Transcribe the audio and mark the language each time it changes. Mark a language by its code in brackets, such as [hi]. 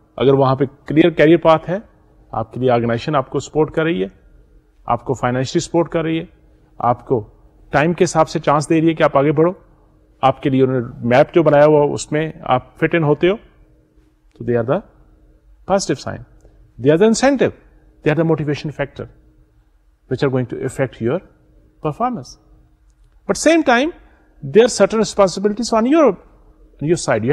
[ur] اگر وہاں پہ کلیئر کیریئر پاتھ ہے آپ کے لیے, آرگنائزیشن آپ کو سپورٹ کر رہی ہے, آپ کو فائنینشلی سپورٹ کر رہی ہے, آپ کو ٹائم کے حساب سے چانس دے رہی ہے کہ آپ آگے بڑھو, آپ کے لیے انہوں نے میپ جو بنایا ہوا اس میں آپ فٹ ان ہوتے ہو, تو [en] They are the positive sign. They are the incentive, they are the motivation factor which are going to affect your performance. But same time, there are certain responsibilities on your side.